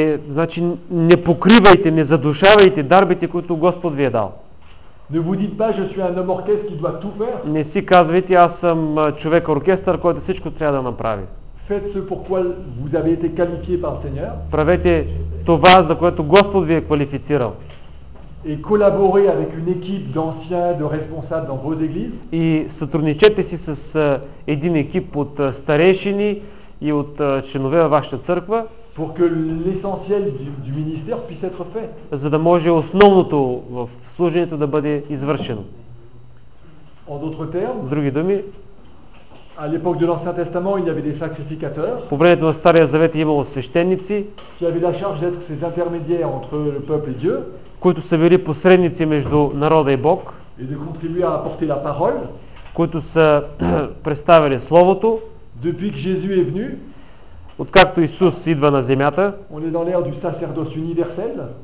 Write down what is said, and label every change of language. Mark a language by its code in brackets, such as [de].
[bg] Значи не покривайте, не задушавайте дарбите, които Господ ви е дал. [fr] Ne vous dites pas je suis un homme orchestre qui doit tout faire. [bg] Не си казвайте аз съм човек оркестър, който всичко трябва да направи. [fr] Faites ce pour quoi vous avez été qualifié par le Seigneur. [bg] Правете това, за което Господ ви е квалифицирал. [fr] Et collaborez avec une équipe d'anciens, de responsables dans vos églises. [bg] И сътрудничете си с един екип от старейшини и от членове във вашата църква, [fr] pour que l'essentiel du ministère puisse être fait. [bg] За да може основното в служението да бъде извършено. [fr] En d'autres termes, [bg] в други думи, [fr] à l'époque de l'Ancien Testament, il y avait des sacrificateurs. [bg] По времето на Стария Завет имало свещеници, [fr] qui avaient la charge d'être ces intermédiaires entre le peuple et Dieu, [bg] които са били посредници между народа и Бог, [fr] et de contribuer à apporter la parole, [bg] които са представили словото. [fr] Depuis que Jésus est venu, [bg] откакто Исус идва на земята, [fr] on est dans l'ère du sacerdoce universel.